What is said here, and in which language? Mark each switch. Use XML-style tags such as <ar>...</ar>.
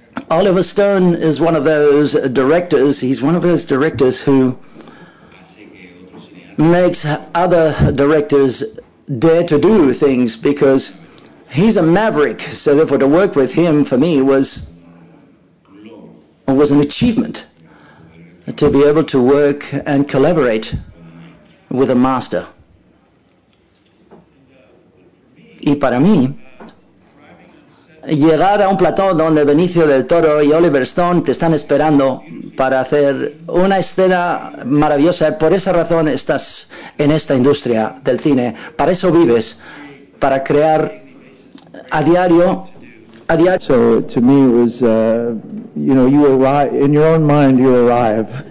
<en>Oliver Stone is one of those directors. He's one of those directors who makes other directors dare to do things because he's a maverick, so therefore to work with him, for me, was an achievement to be able to work and collaborate with a master.</en> <es>Y para mí, llegar a un plató donde Benicio del Toro y Oliver Stone te están esperando para hacer una escena maravillosa, por esa razón estás en esta industria del cine, para eso vives, para crear... A diario.</es> <en>So to me it was, you arrive, in your own mind you arrive.</en>